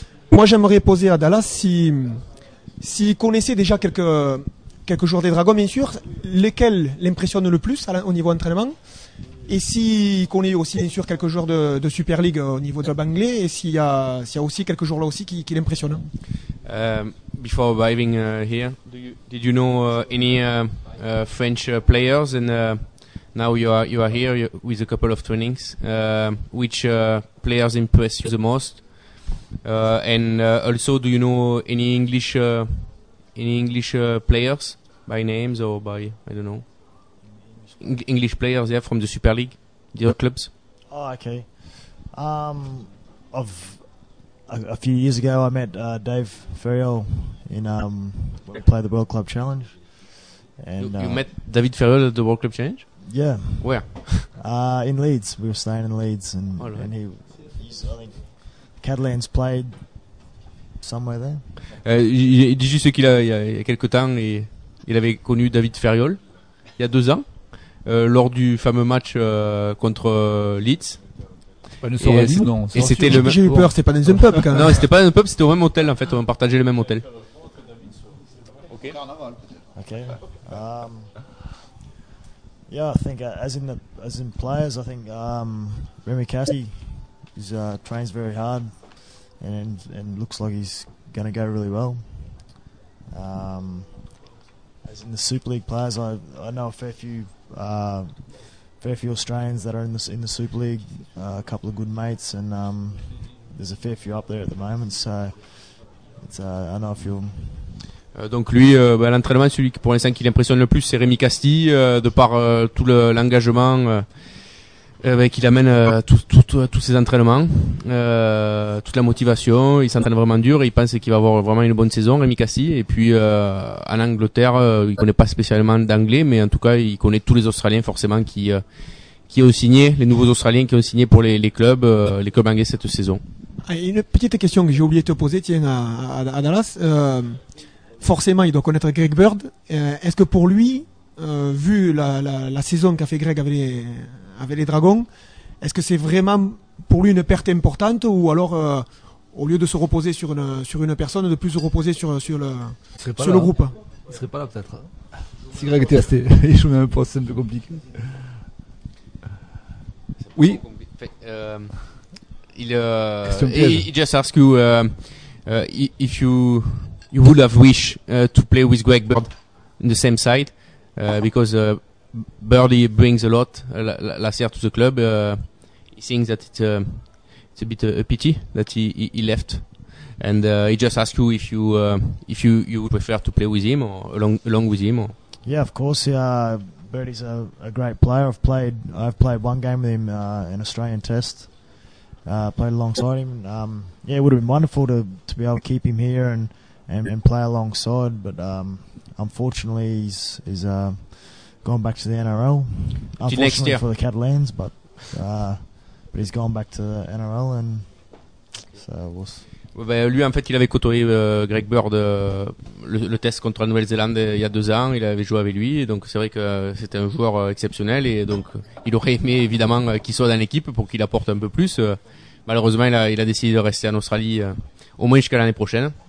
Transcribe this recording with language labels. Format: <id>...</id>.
<fr>Moi, j'aimerais poser à Dallas s'il connaissait déjà quelques joueurs des Dragons, bien sûr, lesquels l'impressionnent le plus au niveau entraînement, et s'il connaît aussi, bien sûr, quelques joueurs de Super League au niveau de l'anglais, et s'il y a aussi quelques joueurs là aussi qui l'impressionnent.</fr> <en>Before arriving here, did you know any French players? And now you are here with a couple of trainings. Which players impress you the most? And also, do you know any English players by names or by, I don't know, English players? Yeah, from the Super League, the other clubs. Oh, okay. A few years ago, I met Dave Ferriol in when we played the World Club Challenge. And you met David Ferriol at the World Club Challenge. Yeah. Where? In Leeds. We were staying in Leeds. And, oh, right. And I think Catalan's played somewhere there.</en> <fr>Il dit juste qu'il a, il y a quelques temps, il avait connu David Ferriol, il y a deux ans, lors du fameux match contre Leeds. J'ai eu peur, c'était pas dans un pub quand même. Non, c'était pas dans un pub, c'était au même hôtel en fait, on partageait le même hôtel. Ok. Ok.</fr> <en>Yeah, I think as in players, I think Remy Cassidy trains very hard and looks like he's going to go really well. As in the Super League players, I know a fair few Australians that are in the Super League, a couple of good mates, and there's a fair few up there at the moment, so it's I know a few.</en> <fr>Donc lui, l'entraînement, celui qui pour l'instant qui l'impressionne le plus, c'est Rémi Casti, de par tout l'engagement qu'il amène à tous ses entraînements, toute la motivation. Il s'entraîne vraiment dur et il pense qu'il va avoir vraiment une bonne saison, Rémi Casti. Et puis en Angleterre, il connaît pas spécialement d'anglais, mais en tout cas, il connaît tous les Australiens forcément qui ont signé, les nouveaux Australiens qui ont signé pour les clubs anglais cette saison. Une petite question que j'ai oublié de te poser, tiens, à Dallas. Forcément, il doit connaître Greg Bird. Est-ce que pour lui, vu la saison qu'a fait Greg avec les Dragons, est-ce que c'est vraiment pour lui une perte importante, ou alors au lieu de se reposer sur une personne, de plus se reposer sur le groupe? Il serait pas là peut-être. Si Greg était resté, il jouait un poste un peu compliqué. Oui. Question piège.</fr> <en>He just asked you if you you would have wished to play with Greg Bird in the same side because Birdie brings a lot last year to the club. He thinks that it's a bit a pity that he left. And he just asked you if you you would prefer to play with him or along with him. Or yeah, of course. Yeah, Birdie's a great player. I've played one game with him in Australian Test. Played alongside him. Yeah, it would have been wonderful to be able to keep him here and play alongside. But unfortunately, he's gone back to the NRL. Unfortunately for the Catalans, but he's gone back to the NRL, and so we'll see.</en> <fr>Ben, lui, en fait, il avait côtoyé Greg Bird le test contre la Nouvelle-Zélande il y a 2 ans. Il avait joué avec lui, donc c'est vrai que c'était un joueur exceptionnel. Et donc, il aurait aimé évidemment qu'il soit dans l'équipe pour qu'il apporte un peu plus. Malheureusement, il a décidé de rester en Australie au moins jusqu'à l'année prochaine.</fr>